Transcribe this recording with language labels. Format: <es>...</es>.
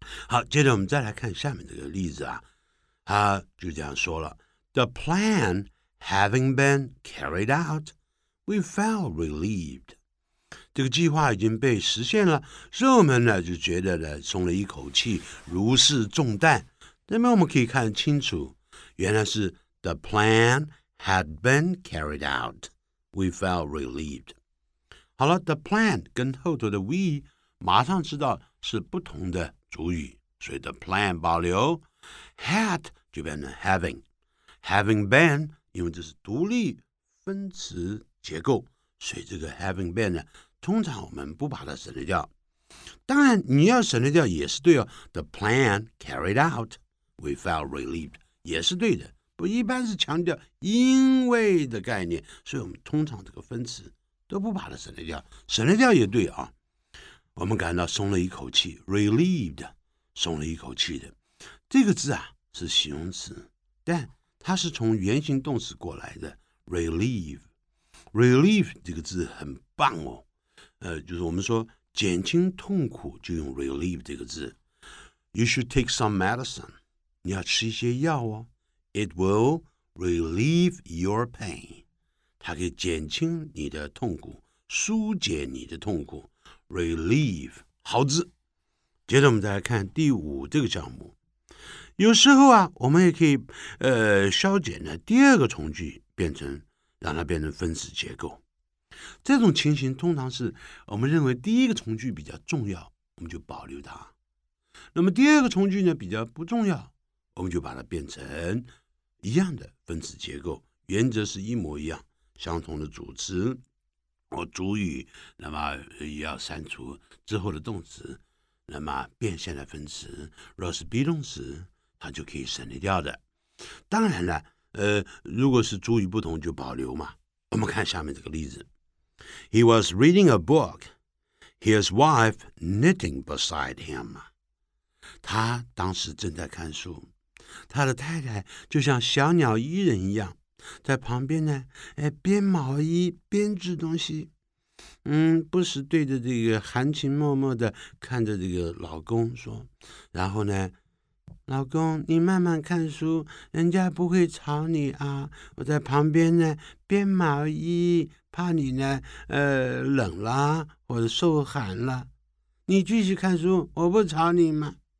<zh>好，接着我们再来看下面这个例子啊，他就这样说了，</zh> <en>The plan having been carried out, we felt relieved.</en> <zh>这个计划已经被实现了，所以我们呢就觉得呢松了一口气，如释重担。那么我们可以看清楚，原来是</zh> <en>The planhad been carried out, we felt relieved.</en> <zh>好了， the plan 跟后头的 we 马上知道是不同的主语，所以 the plan 保留， had 就变成 having, having been 因为这是独立分词结构，所以这个 having been 呢通常我们不把它省略掉，当然你要省略掉也是对哦，</zh> <en>the plan carried out, we felt relieved</en> <zh>也是对的，我一般是强调因为的概念，所以我们通常这个分词都不把它省略掉，省略掉也对啊。我们感到松了一口气 ，relieved, 松了一口气的。这个字啊是形容词，但它是从原形动词过来的 ，relieve。 relieve 这个字很棒哦，就是我们说减轻痛苦就用 relieve 这个字。</zh> <en>You should take some medicine,</en> <zh>你要吃一些药哦。</zh> <en>It will relieve your pain.</en> <zh>它可以减轻你的痛苦，疏解你的痛苦。 Relieve, 好字。接着我们再来看第五这个项目。有时候啊，我们也可以消减的第二个从句变成，让它变成分词结构。这种情形通常是我们认为第一个从句比较重要，我们就保留它。那么第二个从句呢比较不重要，我们就把它变成一样的分词结构，原则是一模一样，相同的主词或主语，那么也要删除之后的动词，那么变现的分词若是 be 动词，它就可以省略掉的。当然了，如果是主语不同就保留嘛。我们看下面这个例子，</zh> <en>He was reading a book, his wife knitting beside him.</en> <zh>他当时正在看书，他的太太就像小鸟依人一样在旁边呢，编毛衣编织东西，不时对着这个含情脉脉的看着这个老公说，然后呢，老公你慢慢看书，人家不会吵你啊，我在旁边呢编毛衣，怕你呢冷了或者受寒了，你继续看书，我不吵你吗？</zh>